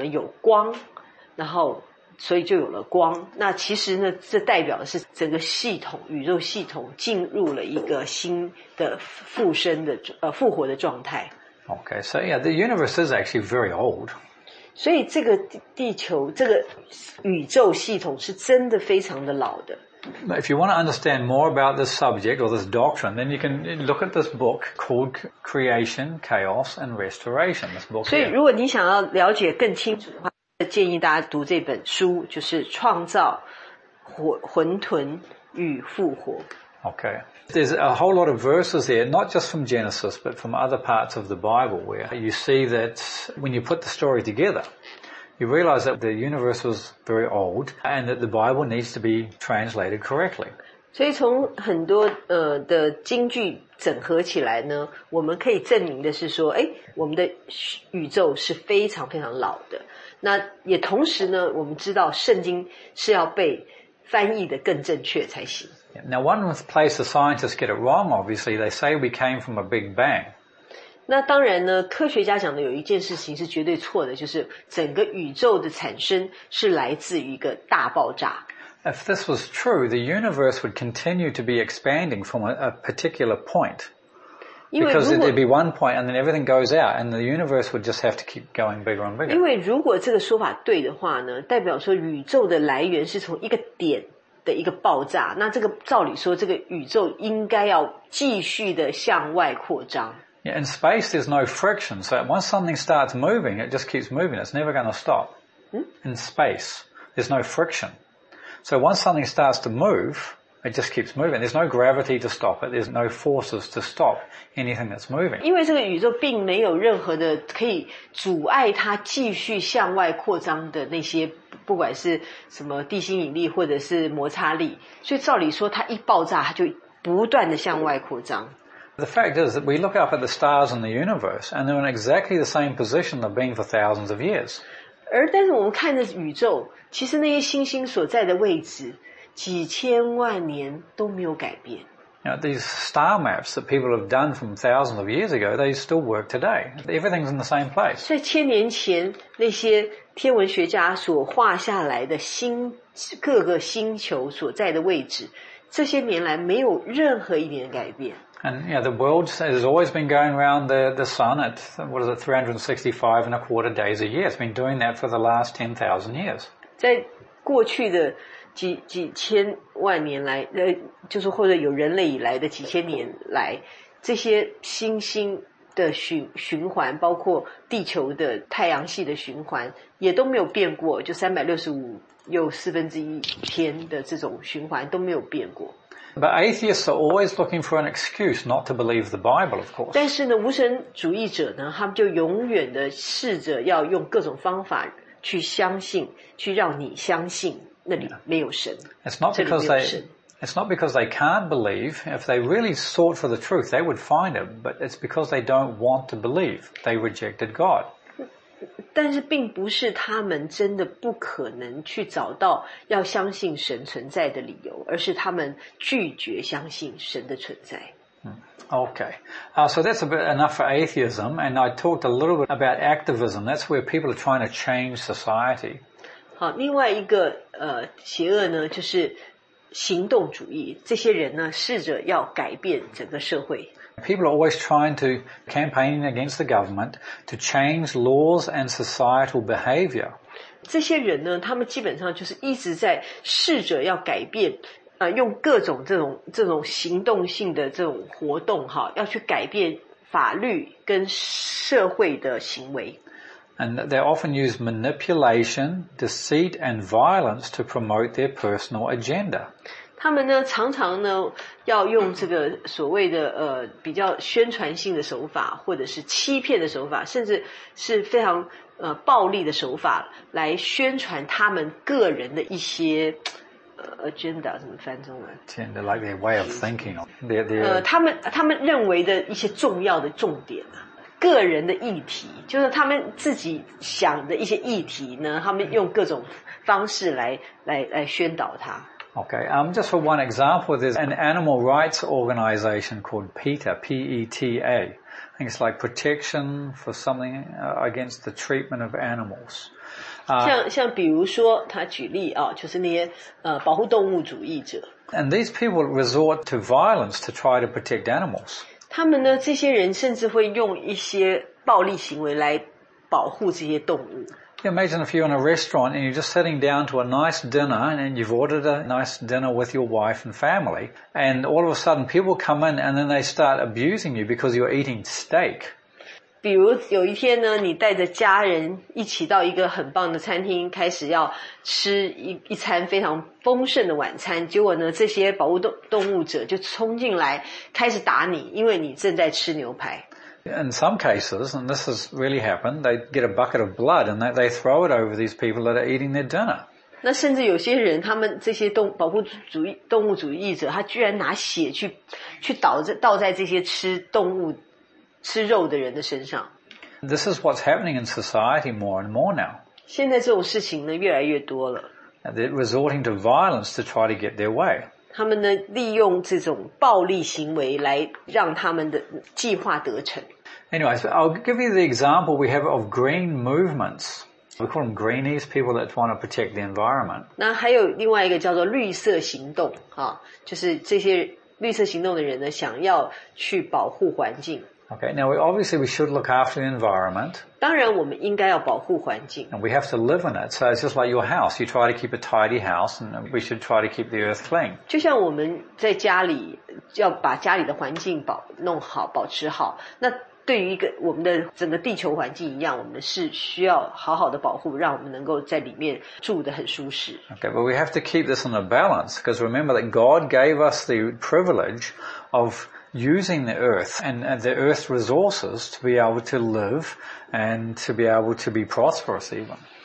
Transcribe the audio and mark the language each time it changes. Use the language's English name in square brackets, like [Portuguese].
[Chinese] 所以呢,这时候上帝第三节说,上帝说让我们有光,然后 所以就有了光,那其实呢,这代表的是整个系统,宇宙系统进入了一个新的复活的状态。Okay, [English] so yeah, the universe is actually very old. [Chinese] 所以这个地球,这个宇宙系统是真的非常的老的。But [English] if you want to understand more about this subject or this doctrine, then you can look at this book called Creation, Chaos and Restoration. This book. [Chinese] 所以如果你想要了解更清楚的话, 建议大家读这本书,就是创造混沌, 与复活。 [English] Okay. There's a whole lot of verses there, not just from Genesis, but from other parts of the Bible where you see that when you put the story together, you realize that the universe was very old and that the Bible needs to be translated correctly. [Chinese] 所以从很多的经句整合起来呢，我们可以证明的是说，诶，我们的宇宙是非常非常老的。那也同时呢，我们知道圣经是要被翻译的更正确才行。 [English] Now, one place the scientists get it wrong, obviously, they say we came from a big bang. [Chinese] 那当然呢，科学家讲的有一件事情是绝对错的，就是整个宇宙的产生是来自于一个大爆炸。 [English] If this was true, the universe would continue to be expanding from a particular point. Because there'd be one point and then everything goes out and the universe would just have to keep going bigger and bigger. [Chinese] 因为如果这个说法对的话呢，代表说宇宙的来源是从一个点的一个爆炸，那这个照理说这个宇宙应该要继续的向外扩张。 [English] Yeah, in space there's no friction, so once something starts moving, it just keeps moving, it's never going to stop. In space, there's no friction. So once something starts to move, it just keeps moving. There's no gravity to stop it. There's no forces to stop anything that's moving. [Chinese] 因为这个宇宙并没有任何的可以阻碍它继续向外扩张的那些，不管是什么地心引力或者是摩擦力。所以照理说它一爆炸，它就不断的向外扩张。 [English] The fact is that we look up at the stars in the universe, and they're in exactly the same position they've been for thousands of years. [Chinese] 而但是我们看着宇宙，其实那些星星所在的位置，几千万年都没有改变。 [English] Now, these star maps that people have done from thousands of years ago, they still work today. Everything's in the same place. [Chinese] 在千年前，那些天文学家所画下来的各个星球所在的位置，这些年来没有任何一点改变。 [English] And yeah, you know, the world has always been going around the sun at, what is it, 365 and a quarter days a year. It's been doing that for the last 10,000 years. [Chinese] 在过去的几千万年来，就是或者有人类以来的几千年来，这些星星的循环，包括地球的太阳系的循环，也都没有变过，就365又四分之一天的这种循环都没有变过。 [English] But atheists are always looking for an excuse not to believe the Bible, of course. [Chinese] 但是呢，无神主义者呢，他们就永远的试着要用各种方法去相信，去让你相信那里没有神。 [English] It's not because they can't believe. If they really sought for the truth, they would find it. But it's because they don't want to believe. They rejected God. [Chinese] 但是并不是他们真的不可能去找到要相信神存在的理由，而是他们拒绝相信神的存在。 [English] Okay. So that's a bit enough for atheism, and I talked a little bit about activism. That's where people are trying to change society. [Chinese] 好，另外一个邪恶呢，就是行动主义，这些人呢，试着要改变整个社会。 [English] People are always trying to campaign against the government to change laws and societal behavior. [Chinese] 这些人呢，他们基本上就是一直在试着要改变，用各种这种行动性的这种活动哈，要去改变法律跟社会的行为。 [English] And they often use manipulation, deceit, and violence to promote their personal agenda. [Chinese] 他们呢常常呢要用这个所谓的比较宣传性的手法，或者是欺骗的手法，甚至是非常暴力的手法来宣传他们个人的一些agenda， 怎么翻中文？ [English] Tend to like their way of thinking. They're... [Chinese] 他们认为的一些重要的重点啊，个人的议题，就是他们自己想的一些议题呢，他们用各种方式来宣导它。 [English] Okay, just for one example, there's an animal rights organization called PETA, P-E-T-A. I think it's like protection for something against the treatment of animals. [Chinese] 像比如说他举例啊，就是那些保护动物主义者。 [English] And these people resort to violence to try to protect animals. [Chinese] 他们呢，这些人甚至会用一些暴力行为来保护这些动物。 [English] You imagine if you're in a restaurant and you're just sitting down to a nice dinner and you've ordered a nice dinner with your wife and family and all of a sudden people come in and then they start abusing you because you're eating steak. [Chinese] 比如有一天呢，你带着家人一起到一个很棒的餐厅，开始要吃 一餐非常丰盛的晚餐，结果呢，这些保护动物者就冲进来开始打你，因为你正在吃牛排。 [English] In some cases, and this has really happened, they get a bucket of blood and they throw it over these people that are eating their dinner. [Chinese] 那甚至有些人，他们这些动物主义者，他居然拿血去倒在这些吃动物。吃肉的人的身上。 [English] This is what's happening in society more and more now. [Chinese] 现在这种事情呢，越来越多了。 [English] They're resorting to violence to try to get their way. [Chinese] 他们呢，利用这种暴力行为来让他们的计划得逞。 [English] Anyway, so I'll give you the example we have of green movements. We call them greenies, people that want to protect the environment. [Chinese] 那还有另外一个叫做绿色行动，啊，就是这些绿色行动的人呢，想要去保护环境。 [English] Okay, now obviously we should look after the environment. [Chinese] 当然我们应该要保护环境。 [English] And we have to live in it. So it's just like your house. You try to keep a tidy house and we should try to keep the earth clean. [Chinese] 就像我们在家里要把家里的环境弄好保持好。那对于一个我们的整个地球环境一样，我们是需要好好的保护，让我们能够在里面住得很舒适。 [English] Okay, but we have to keep this in a balance because remember that God gave us the privilege of using the earth and the earth's resources to be able to live and to be able to be prosperous even.